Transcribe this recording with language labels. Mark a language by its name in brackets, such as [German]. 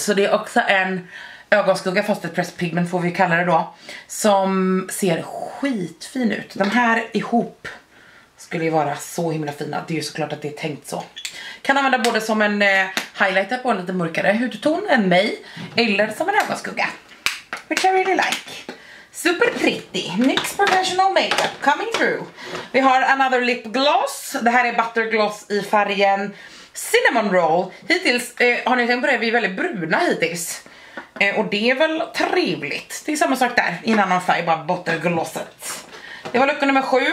[Swedish] Så det är också en ögonskugga, fast ett pressed pigment får vi kalla det då. Som ser skitfin ut. Den här ihop skulle ju vara så himla fina. Det är ju såklart att det är tänkt så. Kan använda både som en highlighter på en lite mörkare hudton än mig. Eller som en ögonskugga. [English] Which I really like. Super pretty, NYX Professional Makeup coming through. [Swedish] Vi har another lip gloss. Det här är buttergloss i färgen Cinnamon Roll. Hittills, har ni tänkt på det, vi är väldigt bruna hittills. Och det är väl trevligt. Det är samma sak där, i en annan färg, bara buttergloset. Det var lucka nummer 7.